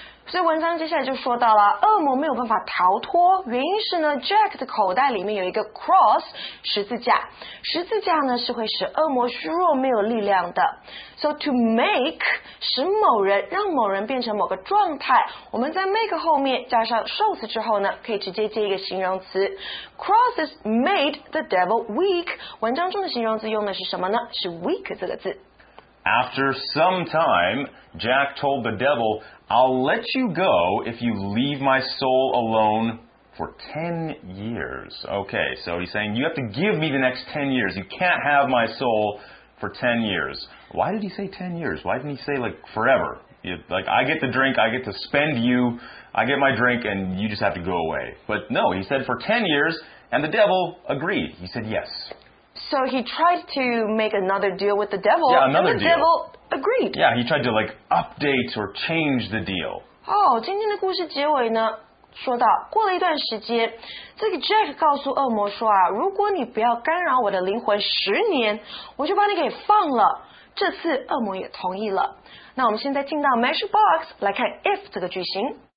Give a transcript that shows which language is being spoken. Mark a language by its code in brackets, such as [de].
[zh] 所以文章接下来就说到了，恶魔没有办法逃脱，原因是呢 ，Jack 的口袋里面有一个 cross 十字架，十字架呢是会使恶魔虚弱没有力量的。 So to make 使某人让某人变成某个状态，我们在 make 后面加上受词之后呢，可以直接接一个形容词 ， [en] crosses made the devil weak。 [zh] 文章中的形容词用的是什么呢？是 weak 这个字。 [en] After some time, Jack told the devil, I'll let you go if you leave my soul alone for 10 years. Okay, so he's saying, you have to give me the next 10 years. You can't have my soul for 10 years. Why did he say 10 years? Why didn't he say, like, forever? I get the drink, I get to spend you, I get my drink, and you just have to go away. But no, he said for 10 years, and the devil agreed. He said yes. So he tried to make another deal with the devil. Yeah, another deal. And the devil agreed. Yeah, he tried to like update or change the deal. [zh] Oh, 今天的故事结尾呢，说到过了一段时间，这个 Jack 告诉恶魔说啊，如果你不要干扰我的灵魂10年，我就把你给放了。这次恶魔也同意了。那我们现在进到 Mesh Box 来看 if 这个句型。